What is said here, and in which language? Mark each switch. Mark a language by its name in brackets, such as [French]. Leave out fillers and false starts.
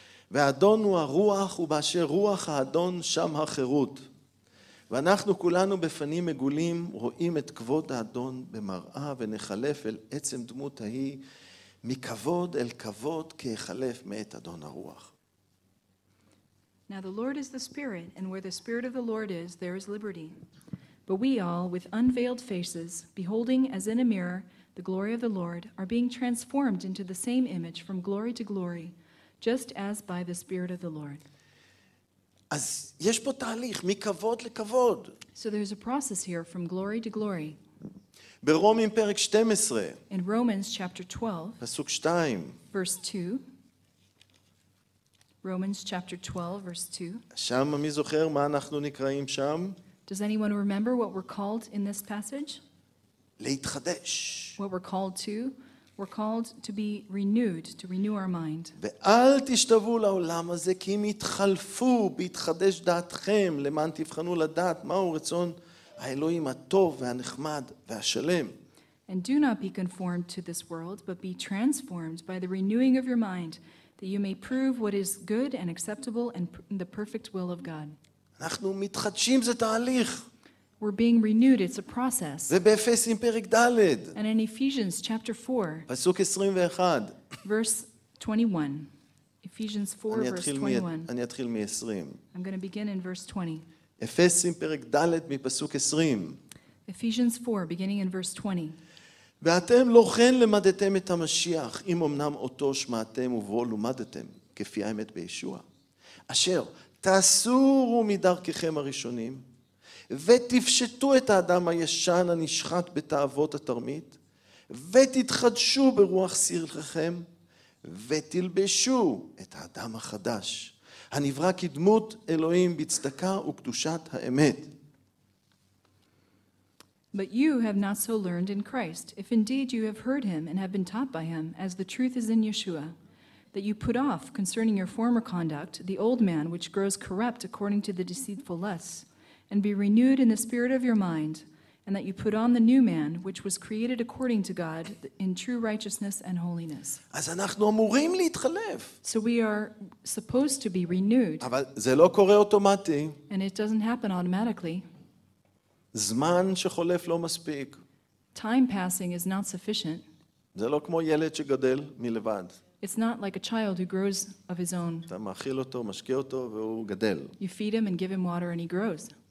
[Hebrew] והאדון הוא הרוח ובאשר רוח האדון שם החירות. ואנחנו כולנו בפנים מגולים רואים את כבוד האדון במראה ונחלף אל עצם דמות ההיא מכבוד אל כבוד כהחלף מאת אדון הרוח. [English] Now the Lord is the Spirit, and where the Spirit of the Lord is, there is liberty. But we all, with unveiled faces, beholding as in a mirror the glory of the Lord, are being transformed into the same image from glory to glory, just as by the Spirit of the Lord. [Hebrew] אז יש פה תהליך, מכבוד לכבוד. [English] So there's a process here from glory to glory. [Hebrew] ברומים פרק 12. [English] In Romans chapter 12. [Hebrew] פסוק 2. [English] Verse 2. Romans chapter 12 verse 2. [Hebrew] שם מי זוכר מה אנחנו נקראים שם? [English] Does anyone remember what we're called in this passage? [Hebrew] להתחדש. [English] What we're called to? We're called to be renewed, to renew our mind. [Hebrew] ואל תשתוו לעולם הזה כי מתחלפו בהתחדש דעתכם למען תבחנו לדעת מהו רצון האלוהים הטוב והנחמד והשלם. [English] And do not be conformed to this world, but be transformed by the renewing of your mind, that you may prove what is good and acceptable and the perfect will of God. [Hebrew] אנחנו מתחדשים, זה תהליך. [English] We're being renewed, it's a process. [Hebrew] ובאפסים פרק ד'. [English] And in Ephesians chapter 4. [Hebrew] פסוק 21. [English] Verse 21. Ephesians 4 verse 21. [Hebrew] אני אתחיל מ-20. [English] I'm going to begin in verse 20. [Hebrew] אפסים פרק ד' מפסוק 20. [English] Ephesians 4 beginning in verse 20. [Hebrew] ואתם לא כן למדתם את המשיח, אם אמנם אותו שמעתם ובו לומדתם, כפי האמת בישוע. אשר תסורו מדרככם הראשונים, ותפשטו את האדם הישן הנשחט בתאוות התרמית, ותתחדשו ברוח שכלכם, ותלבשו את האדם החדש, הנברא כדמות אלוהים בצדקה וקדושת האמת. [English] But you have not so learned in Christ, if indeed you have heard him and have been taught by him, as the truth is in Yeshua, that you put off concerning your former conduct the old man which grows corrupt according to the deceitful lusts, and be renewed in the spirit of your mind, and that you put on the new man which was created according to God in true righteousness and holiness. [Hebrew] אז אנחנו אמורים להתחלף. [English] So we are supposed to be renewed. [Hebrew] אבל זה לא קורה אוטומטי. [English] And it doesn't happen automatically. [Hebrew] זמן שחולף לא מספיק. [English] Time passing is not sufficient. [Hebrew] זה לא כמו ילד שגדל מלבד. [English] It's not like a child who grows of his own. [Hebrew] אתה מאכיל אותו, משקיע אותו, והוא גדל. [English] You feed him and give him water and he grows.